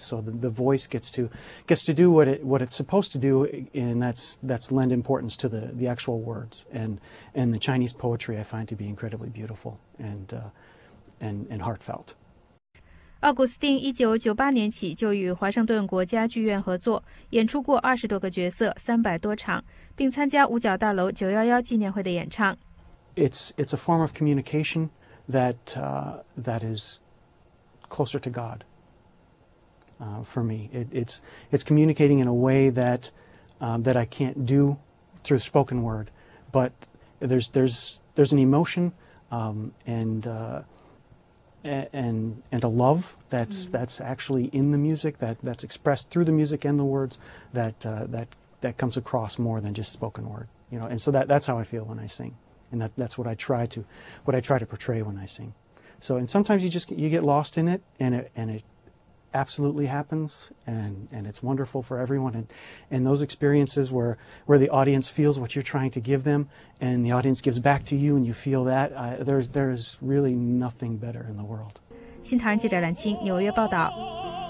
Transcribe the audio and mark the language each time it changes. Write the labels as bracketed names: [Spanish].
[English] So the voice gets to do what it's supposed to do, and that's lend importance to the actual words. And the Chinese poetry I find to be incredibly beautiful and heartfelt. [Chinese] 奥古斯丁1998年起就与华盛顿国家剧院合作，演出过20多个角色、300多场，并参加五角大楼911纪念会的演唱。 [English] It's a form of communication that is closer to God. For me, it's communicating in a way that I can't do through spoken word, but there's an emotion and a love that's actually in the music that's expressed through the music and the words that comes across more than just spoken word, you know. And so that's how I feel when I sing, and that's what I try to portray when I sing. So and sometimes you get lost in it, and it absolutely happens, and it's wonderful for everyone, and those experiences where the audience feels what you're trying to give them, and the audience gives back to you, and you feel that there's really nothing better in the world. [Chinese] 新唐人记者蓝青纽约报道。